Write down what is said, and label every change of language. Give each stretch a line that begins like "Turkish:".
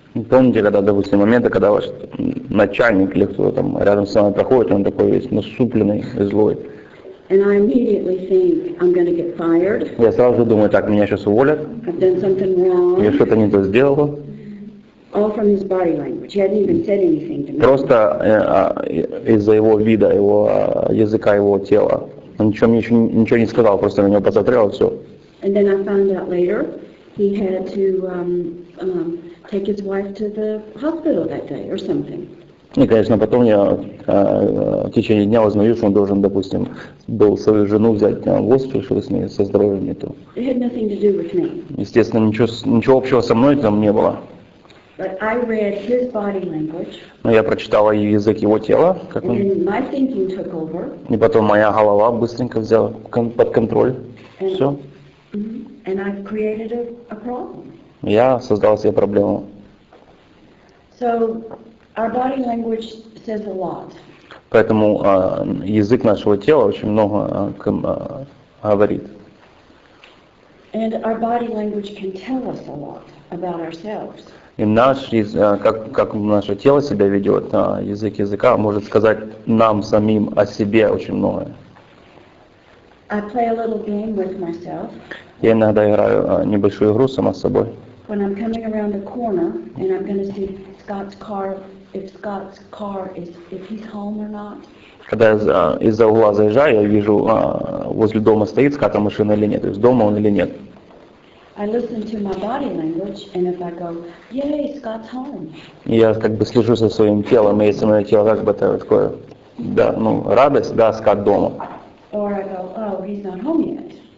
Russian: Помните, когда, допустим, моменты, когда ваш начальник или кто-то там рядом с вами проходит, он такой весь насупленный и злой.
English: And I immediately think I'm gonna get fired.
Russian: Я сразу думаю, так, меня сейчас уволят.
English: I've done something wrong.
Russian: Я что-то не то сделал.
English: All from his body language. He hadn't even said anything to me.
Russian: Просто из-за его вида, его языка, его тела. Он ничего не сказал, просто на него посмотрел, все.
English: And then I found out later he had to take his wife to the hospital that day or something.
Russian: И, конечно, потом я в течение дня узнаю, что он должен, допустим, был свою жену взять в госпиталь, что с ней со здоровьем не то.
English: It had nothing to do with me.
Russian: Естественно, ничего общего со мной там не было.
English: But I read his body language.
Russian: Но я прочитала язык его тела. Как он...
English: And my thinking took over.
Russian: И потом моя голова быстренько взяла под контроль.
English: And
Russian: все.
English: And I've created a problem.
Russian: Я создал себе проблему.
English: So, our body language says a lot.
Russian: Поэтому язык нашего тела очень много говорит.
English: And our body language can tell us a lot about ourselves.
Russian: И как наше тело себя ведет, язык языка может сказать нам самим о себе очень многое.
English: I play a little game with myself.
Russian: Я иногда играю небольшую игру сама с собой.
English: When I'm coming around the corner and I'm going to see Scott's car, if Scott's car is, if he's home or not.
Russian: Когда я из-за угла заезжаю, я вижу, возле дома стоит Скотта машина или нет, то есть дома он или нет.
English: I listen to my body language and if I go, yay, Scott's home.
Russian: Я как бы слышу со своим телом, и если мое тело как бы такое, да, ну, радость, да, Скотт дома.
English: Or I go, oh, he's not home yet.